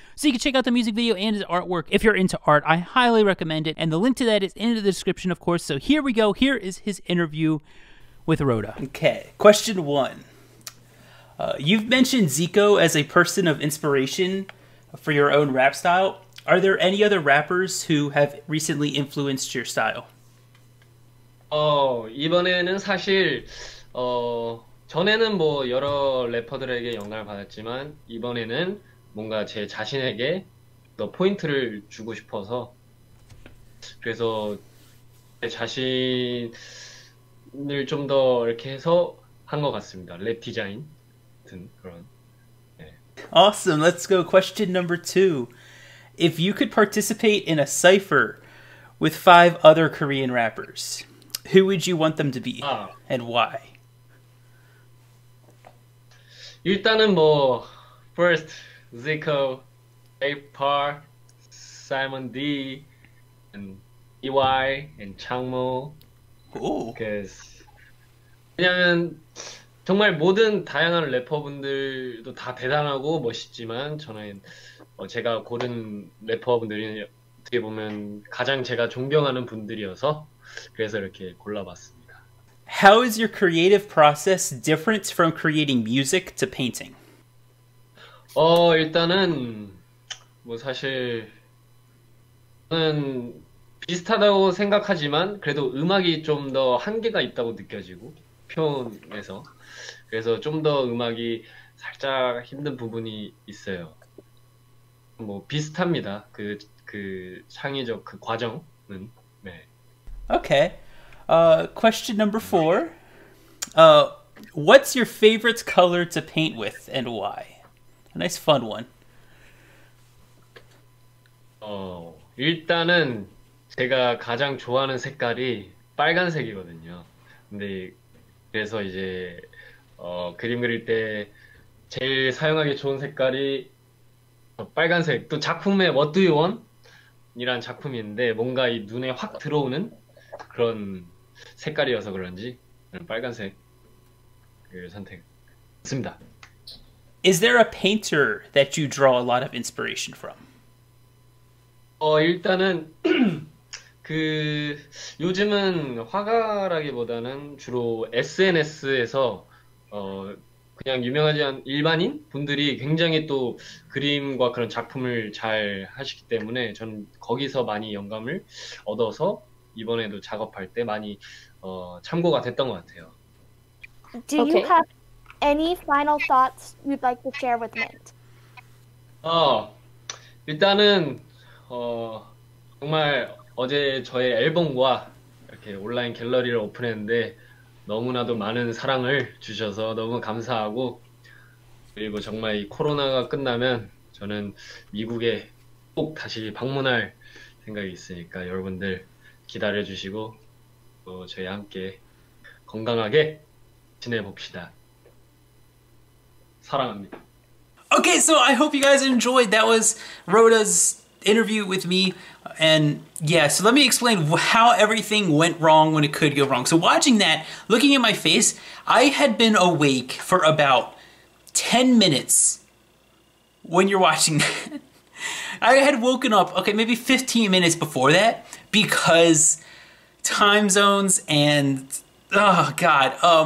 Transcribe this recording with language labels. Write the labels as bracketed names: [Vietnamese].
[English] So you can check out the music video and his artwork if you're into art. I highly recommend it, and the link to that is in the description, of course. So here we go. Here is his interview with Roda. Okay, question one. You've mentioned Zico as a person of inspiration for your own rap style. Are there any other rappers who have recently influenced your style? [Korean] 이번에는 사실 전에는 뭐 여러 래퍼들에게 영감을 받았지만 이번에는 뭔가 제 자신에게 더 포인트를 주고 싶어서 그래서 제 자신을 좀 더 이렇게 해서 한 것 같습니다. 랩 디자인 같은 그런. [English] 네. Awesome. Let's go. Question number two. If you could participate in a cypher with 5 other Korean rappers, who would you want them to be, and why? [Korean] 일단은 뭐 first Zico, A-Park, Simon D, and EY and Changmo. [English] Ooh. [Korean] 왜냐면 정말 모든 다양한 래퍼분들도 다 대단하고 멋있지만 저는 제가 고른 래퍼분들이 어떻게 보면 가장 제가 존경하는 분들이어서 그래서 이렇게 골라봤습니다. [English] How is your creative process different from creating music to painting? [Korean] 일단은 뭐 사실 저는 비슷하다고 생각하지만 그래도 음악이 좀 더 한계가 있다고 느껴지고 표현에서 그래서 좀 더 음악이 살짝 힘든 부분이 있어요. 뭐 비슷합니다. 그 창의적 그 과정은. 네. [English] Okay. Question number 4. What's your favorite color to paint with and why? A nice fun one. [Korean] 일단은 제가 가장 좋아하는 색깔이 빨간색이거든요. 근데 그래서 이제 그림 그릴 때 제일 사용하기 좋은 색깔이 빨간색, 또 작품의 What Do You Want? 이란 작품인데 뭔가 이 눈에 확 들어오는 그런 색깔이어서 그런지 빨간색을 선택했습니다. [English] Is there a painter that you draw a lot of inspiration from? [Korean] 일단은 그 요즘은 화가라기보다는 주로 SNS에서 그냥 유명하지 않은 일반인 분들이 굉장히 또 그림과 그런 작품을 잘 하시기 때문에 저는 거기서 많이 영감을 얻어서 이번에도 작업할 때 많이 참고가 됐던 것 같아요. [English] Do you have any final thoughts you'd like to share with Mint? [Korean] 일단은 정말 어제 저의 앨범과 이렇게 온라인 갤러리를 오픈했는데 너무나도 많은 사랑을 주셔서 너무 감사하고 그리고 정말 이 코로나가 끝나면 저는 미국에 꼭 다시 방문할 생각이 있으니까 여러분들 기다려 주시고 저희 함께 건강하게 지내봅시다. 사랑합니다. [English] Okay, so I hope you guys enjoyed. That was Roda's interview with me. And yeah, so let me explain how everything went wrong when it could go wrong. So watching that, looking at my face, I had been awake for about 10 minutes when you're watching that. I had woken up, okay, maybe 15 minutes before that because time zones and, oh God.